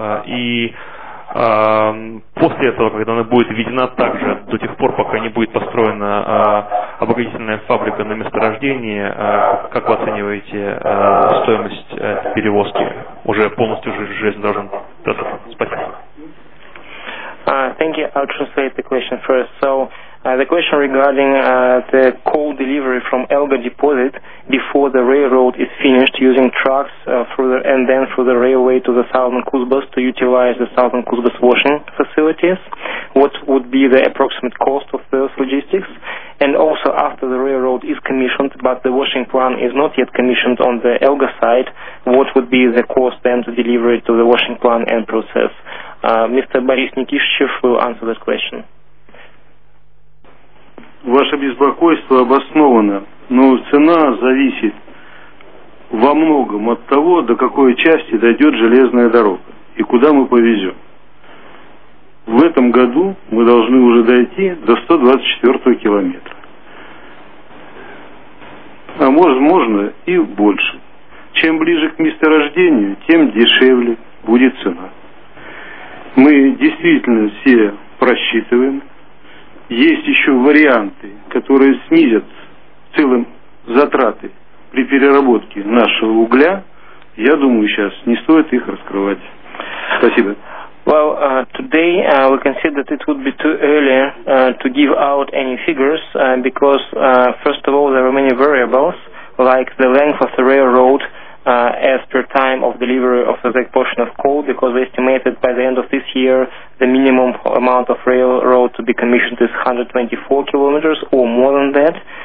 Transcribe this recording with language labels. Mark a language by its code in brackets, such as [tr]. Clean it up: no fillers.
[ru] И после этого, когда она будет введена также, до тех пор, пока не будет построена обогатительная фабрика на месторождении, как вы оцениваете стоимость перевозки уже полностью железнодорожного транспорта? Спасибо. [en] Thank you. I'll translate the question first. So, the question regarding the coal delivery from Elga deposit before the railroad is finished using trucks through the, and then through the railway to the Southern Kuzbass to utilize the Southern Kuzbass washing facilities. What would be the approximate cost of those logistics? And also after the railroad is commissioned, but the washing plant is not yet commissioned on the Elga side, what would be the cost then to deliver it to the washing plant and process? Mr. Boris Nikishchev will answer that question. [ru] Ваше беспокойство обосновано, но цена зависит во многом от того, до какой части дойдет железная дорога и куда мы повезем. В этом году мы должны уже дойти до 124 километра. А может, можно и больше. Чем ближе к месторождению, тем дешевле будет цена. Мы действительно все просчитываем. Есть еще варианты, которые снизят в целом затраты при переработке нашего угля. Я думаю, сейчас не стоит их раскрывать. Спасибо. [en] Well, today we consider that it would be too early to give out any figures because, first of all, there are many variables, like the length of the railroad as per time of delivery of the portion of coal, because we estimated by the end of this year the minimum amount of railroad to be commissioned is 124 kilometers or more than that.